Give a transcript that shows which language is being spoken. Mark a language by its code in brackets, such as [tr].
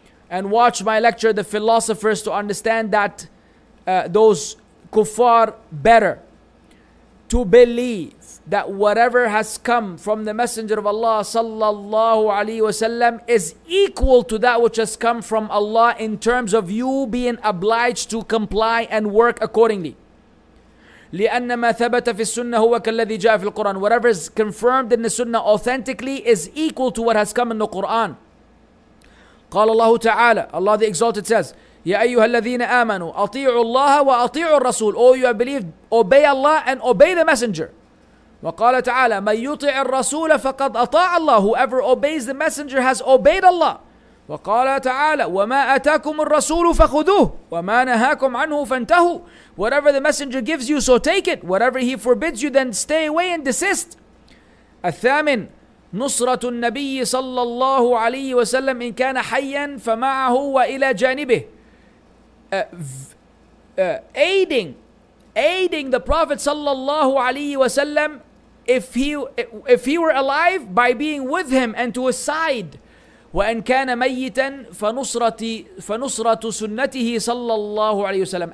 [en] And watch my lecture, The Philosophers, to understand that those kuffar better. To believe that whatever has come from the Messenger of Allah sallallahu alaihi wasallam is equal to that which has come from Allah in terms of you being obliged to comply and work accordingly. [ar] لأن ما ثبت في السنة هو كالذي جاء في القرآن. [en] Whatever is confirmed in the Sunnah authentically is equal to what has come in the Quran. [ar] قال الله تعالى, [en] Allah the Exalted says, [ar] يا أيها الذين آمنوا أطيعوا الله وأطيعوا الرسول. [en] Oh, you have believed, obey Allah and obey the Messenger. [ar] وقال تعالى, من يطع الرسول فقد أطاع الله. [en] Whoever obeys the Messenger has obeyed Allah. [ar] وقال تعالى, وما أتاكم الرسول فخذوه وما نهاكم عنه فانتهوا. [en] Whatever the Messenger gives you, so take it. Whatever he forbids you, then stay away and desist. [ar] الثامن, نصرة النبي صلى الله عليه وسلم إن كان حيا فمعه وإلى جانبه. [en] aiding the Prophet sallallahu alaihi wasallam if he were alive by being with him and to his side. [ar] وَأَنْ كَانَ مَيِّتًا فَنُصْرَةُ سُنَّتِهِ صَلَّى اللَّهُ عَلَيْهِ وَسَلَّمْ.